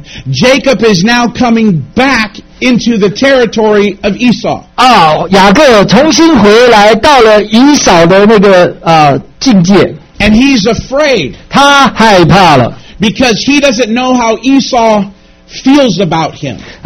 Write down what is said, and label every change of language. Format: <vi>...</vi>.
<en>Jacob is now coming back into the territory of Esau.</en> <zh>Oh, 雅各重新回来到了以扫的那个境界。</zh> <en>And he's afraid.</en> <zh>他害怕了。</zh> <en>Because he doesn't know how Esau feels about him.</en>